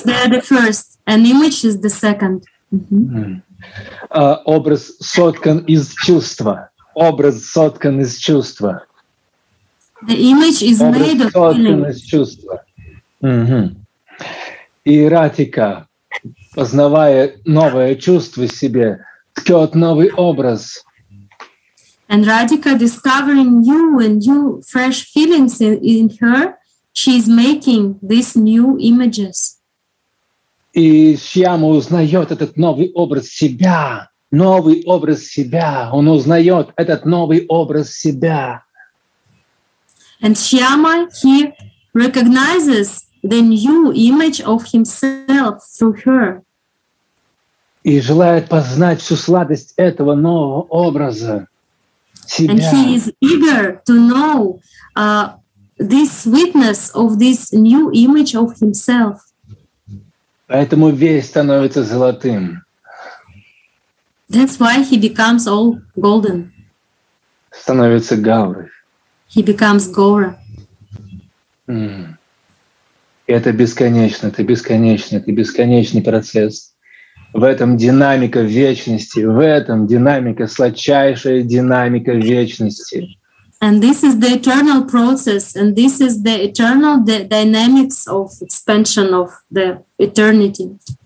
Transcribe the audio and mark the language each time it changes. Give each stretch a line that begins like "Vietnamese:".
English: They're the first, and image is the second. Mm-hmm.
Russian: Образ соткан из чувства. Образ соткан из чувства.
English: The image is
Russian: образ
English: made of
Russian: соткан из чувства. Угу. И Радхика, познавая новое чувство в себе, ткёт новый образ.
English: And Radhika discovering new and new fresh feelings in her, she is making these new images.
Russian: И Шьяма узнает этот новый образ себя. Новый образ себя. Он узнает этот новый образ себя.
English: And Шьяма, he recognizes the new image of himself through her.
Russian: И желает познать всю сладость этого нового образа себя.
English: And he is eager to know this sweetness of this new image of himself.
Russian: Поэтому весь становится золотым.
English: That's why he becomes all golden.
Russian: Становится Гаурой.
English: He becomes Gaura.
Russian: Это бесконечный процесс. В этом динамика вечности, в этом динамика, сладчайшая динамика вечности.
English: And this is the eternal process, and this is the eternal dynamics of expansion of the eternity.